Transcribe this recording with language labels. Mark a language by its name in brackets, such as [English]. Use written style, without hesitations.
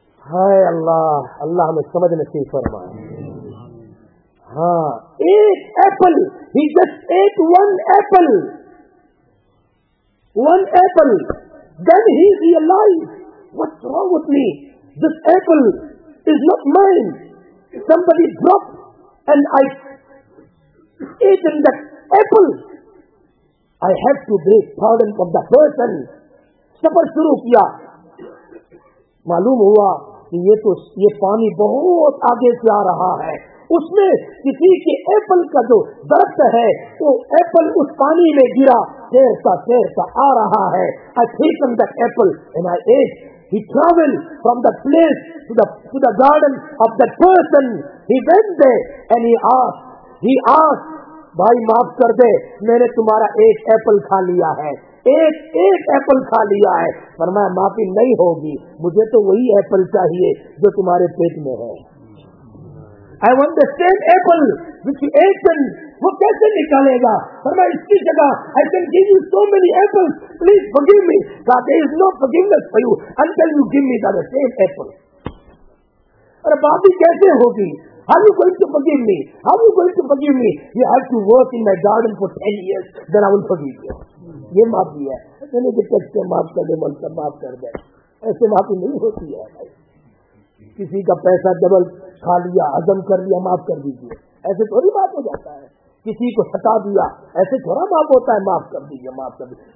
[Urdu] ہائے اللہ, اللہ ہمیں سمجھ نہیں فرمایا. ہاں [English] ایک apple, he just eat one apple, one apple, then he realize what's wrong with me, this apple is not mine, somebody drop and I eat in that apple, I have to break pardon from the person. [Urdu] سفر شروع کیا, معلوم ہوا کہ یہ تو یہ پانی بہت آگے سے آ رہا ہے, اس میں کسی کے ایپل کا جو درخت ہے وہ ایپل اس پانی میں گرا, تیرتا آ رہا ہے. [English] I think in the apple and I eat. He travel from the place to the garden of the person. He went there and he ask [Urdu] بھائی معاف کر دے, میں نے تمہارا ایک ایپل کھا لیا ہے, ایک ایپل کھا لیا ہے. فرمایا معافی نہیں ہوگی, مجھے تو وہی ایپل چاہیے جو تمہارے پیٹ میں ہے. [English] I want the same apple which you ate. [Urdu] وہ کیسے نکالے گا؟ فرمایا اس کی جگہ [English] I can give you so many apples, please forgive me. [Urdu] کہا [English] there is no forgiveness for you until you give me the same apple. [Urdu] اور معافی کیسے ہوگی؟ [English] How are you going to forgive me? How are you going to forgive me? You have to work in my garden for 10 years. Then I will forgive you. [Urdu] یہ معافی ہے. میں نے کہا کہ معاف کر دے, مطلب معاف کر دے. ایسے معافی نہیں ہوتی ہے بھائی. کسی کا پیسہ ڈبل کھا لیا, ہضم کر لیا, معاف کر دیجیے, ایسے تھوڑی معاف ہو جاتا ہے. کسی کو ستا دیا, ایسے تھوڑا معاف ہوتا ہے. معاف کر دیجیے, معاف کر دیجیے.